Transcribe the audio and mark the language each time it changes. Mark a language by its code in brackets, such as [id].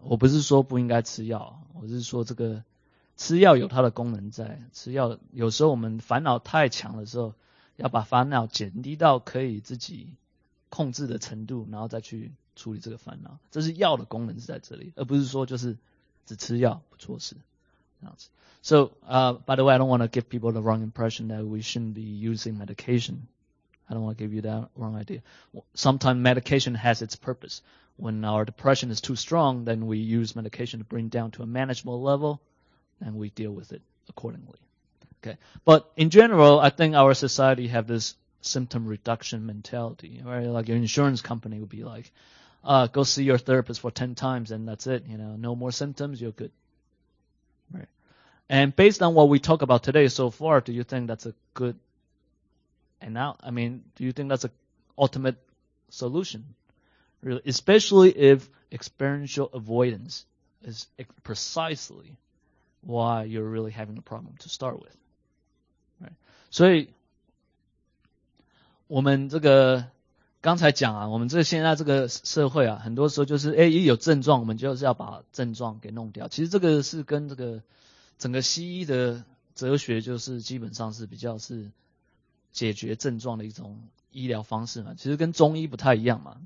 [zh] 我不是说不应该吃药，我是说这个吃药有它的功能在。吃药有时候我们烦恼太强的时候，要把烦恼减低到可以自己控制的程度，然后再去处理这个烦恼。这是药的功能是在这里，而不是说就是只吃药不做事这样子。 [en] So, by the way, I don't want to give people the wrong impression that we shouldn't be using medication. I don't want to give you that wrong idea. Sometimes medication has its purpose. When our depression is too strong, then we use medication to bring down to a manageable level, and we deal with it accordingly. Okay. But in general, I think our society have this symptom reduction mentality, right? Like your insurance company would be like, go see your therapist for 10 times and that's it. You know, no more symptoms, you're good. Right. And based on what we talk about today so far, do you think that's a good, and now, I mean, do you think that's an ultimate solution? Really, especially if experiential avoidance is precisely why you're really having a problem to start with. Right. [zh] 所以我们这个刚才讲啊，我们这个现在这个社会啊，很多时候就是哎，一有症状，我们就是要把症状给弄掉。其实这个是跟这个整个西医的哲学，就是基本上是比较是解决症状的一种医疗方式嘛。其实跟中医不太一样嘛。